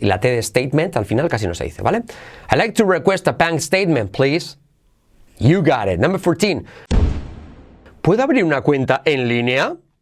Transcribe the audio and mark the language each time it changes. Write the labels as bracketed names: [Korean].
[Spanish] Y la T de statement al final casi no se dice, ¿vale? [English] I'd like to request a bank statement, please. You got it. Number 14. [Spanish] ¿Puedo abrir una cuenta en línea?